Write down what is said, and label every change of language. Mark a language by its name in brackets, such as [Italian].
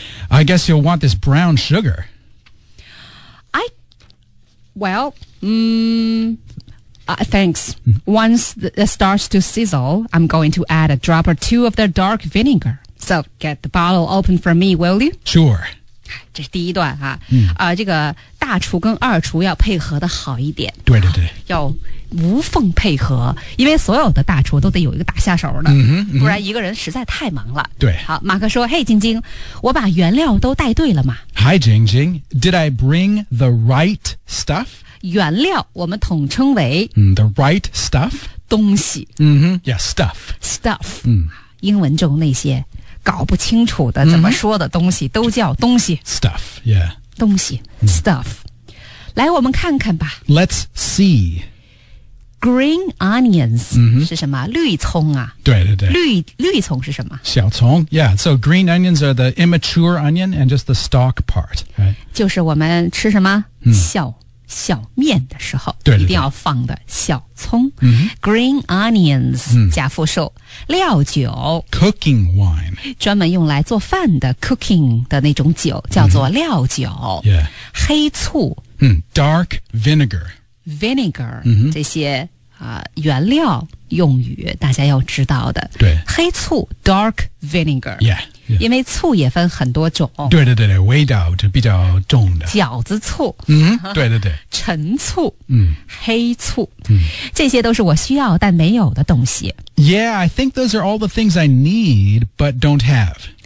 [English] I guess you'll want this brown sugar. Thanks. Once it starts to sizzle, I'm going to add a drop or two of the dark vinegar. So get the bottle open for me, will you? Sure. [Chinese] 这是第一段啊。这个大厨跟二厨要配合的好一点。对对对。要无缝配合，因为所有的大厨都得有一个大下手的，不然一个人实在太忙了。对。好，马克说，嘿，晶晶，我把原料都带对了吗 [English] ?Hi, 晶晶, did I bring the right stuff? [Chinese] 原料我们统称为 [English] The right stuff [Chinese] 东西、 [English] Yeah, stuff [Chinese] Stuff 英文中那些搞不清楚的怎么说的东西都叫东西 [English] Stuff, yeah [Chinese] 东西、Stuff 来我们看看吧 [English] Let's see [Chinese] Green onions、是什么绿葱啊对对对绿葱是什么 [English] 小葱 Yeah, so green onions are the immature onion and just the stalk part、right? [Chinese] 就是我们吃什么、小面的时候对对对一定要放的小葱、Green onions、加复数料酒 [English] Cooking wine [Chinese] 专门用来做饭的 cooking 的那种酒叫做料酒、黑醋、 [English] Dark vinegar [Chinese] Vinegar、这些、原料用语大家要知道的对黑醋 Dark vinegar yeah, yeah. 因为醋也分很多种对对对味道就比较重的饺子醋、对对对陈醋、黑醋、嗯、这些都是我需要但没有的东西 [English] Yeah, I think those are all the things I need but don't have